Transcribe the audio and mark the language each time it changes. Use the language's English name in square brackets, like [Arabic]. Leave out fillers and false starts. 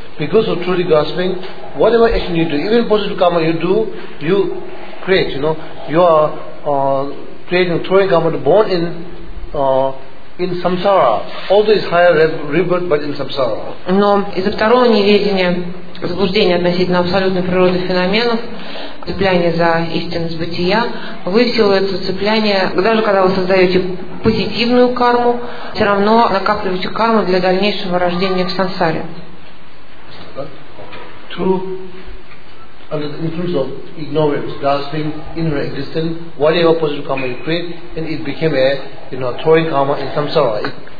[English] Because of truly grasping, whatever action you do, even positive karma you do, you create, you know, you are creating true karma to born in samsara, although it's higher rebirth, but in samsara. [Russian] Но из-за второго неведения, заблуждения относительно абсолютной природы феноменов, цепляния за истинность бытия, вы в силу этого цепляния, даже когда вы создаете позитивную карму, все равно накапливаете карму для дальнейшего рождения в сансаре. [English] Under the influence of ignorance, grasping, inner existence, whatever positive karma you create, and it became a, you know, throwing karma in samsara.